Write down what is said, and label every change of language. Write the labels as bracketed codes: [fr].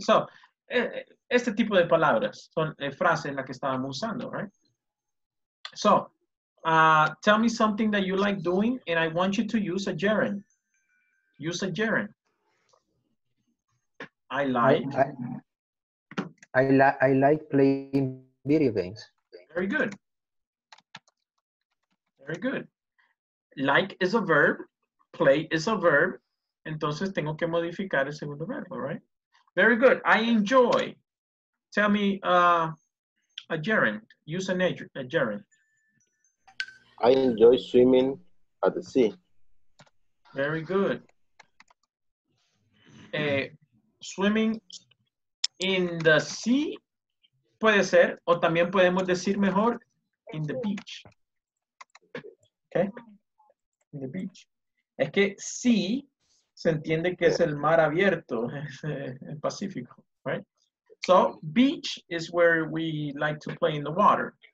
[es] So, este tipo de palabras son frases en las que estábamos usando, [en] right? So, tell me something that you like doing, and I want you to use a gerund. Use a gerund. I like. I like playing video games. Very good. Very good. Like is a verb. Play is a verb. [es] Entonces tengo que modificar el segundo verbo, [en] right? Very good. I enjoy. Tell me a gerund. Use a gerund. I enjoy swimming at the sea. Very good. Swimming in the sea, [es] puede ser, o también podemos decir mejor, [en] in the beach. Okay? In the beach. [es] Es que sea, se entiende que es el mar abierto, el Pacífico, [en] right? So, beach is where we like to play in the water.